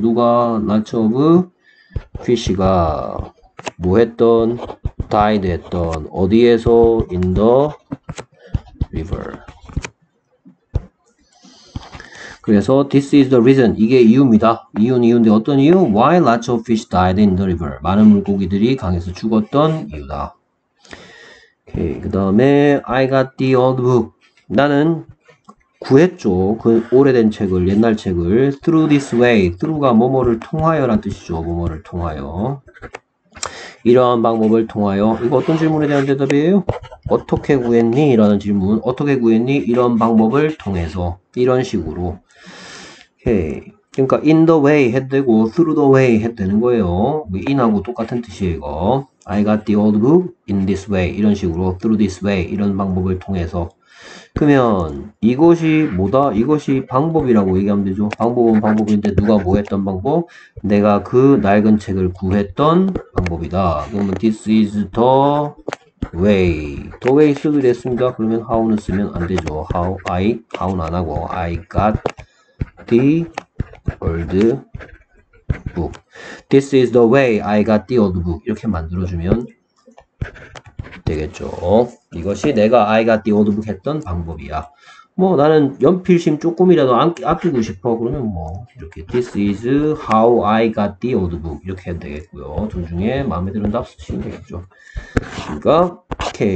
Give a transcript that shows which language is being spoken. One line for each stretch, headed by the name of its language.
Korean: 누가?
English: lots of fish
Korean: 가 뭐 했던?
English: died
Korean: 했던 어디에서?
English: in the river. 그래서 this is the reason.
Korean: 이게 이유입니다. 이유는 이유인데 어떤 이유?
English: why lots of fish died in the river.
Korean: 많은 물고기들이 강에서 죽었던 이유다. 오케이. 그 다음에
English: I got the old book.
Korean: 나는 구했죠. 그 오래된 책을, 옛날 책을
English: through this way.
Korean: through가 뭐뭐를 통하여란 뜻이죠. 뭐뭐를 통하여. 이러한 방법을 통하여. 이거 어떤 질문에 대한 대답이에요? 어떻게 구했니? 라는 질문. 어떻게 구했니? 이런 방법을 통해서. 이런 식으로. 오케이. 그러니까
English: in the way
Korean: 해도 되고
English: through the way
Korean: 해도 되는 거예요. in하고 똑같은 뜻이에요, 이거.
English: I got the old book in this way.
Korean: 이런 식으로 through this way. 이런 방법을 통해서. 그러면 이것이 뭐다? 이것이 방법이라고 얘기하면 되죠. 방법은 방법인데 누가 뭐 했던 방법? 내가 그 낡은 책을 구했던 방법이다.
English: 그러면 this is the way. the way
Korean: 쓰도 됐습니다. 그러면 how는 쓰면 안 되죠. how는 안 하고
English: I got the old book. this is the way I got the old book.
Korean: 이렇게 만들어주면 되겠죠. 이것이 내가
English: I got the old book
Korean: 했던 방법이야. 뭐 나는 연필심 조금이라도 아끼고 싶어.
English: 그러면 뭐 이렇게 this is how I got the old book 이렇게
Korean: 해도 되겠고요. 둘 중에 마음에 드는 답 쓰시면 되겠죠. 그러니까 오케이.